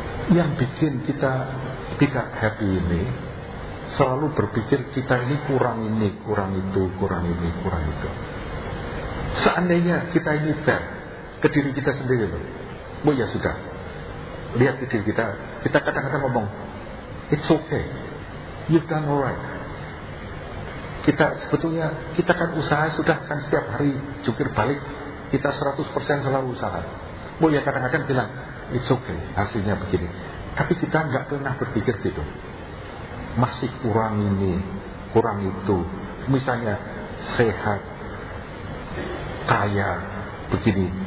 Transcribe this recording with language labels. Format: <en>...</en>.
<id>Yang bikin kita tidak happy ini, selalu berpikir kita ini, kurang itu, kurang ini, kurang itu. Seandainya kita ini fair ke diri kita sendiri. Oh ya sudah. Lihat di diri kita. Kita kadang-kadang ngomong,</id> <en>it's okay, you've done alright.</en> <id>Kita sebetulnya, kita kan usaha sudah kan setiap hari jungkir balik, kita 100% selalu usaha. Oh ya kadang-kadang bilang,</id> <en>it's okay,</en> <id>hasilnya begini. Tapi kita nggak pernah berpikir gitu. Masih kurang ini, kurang itu. Misalnya sehat, kaya, begini.</id>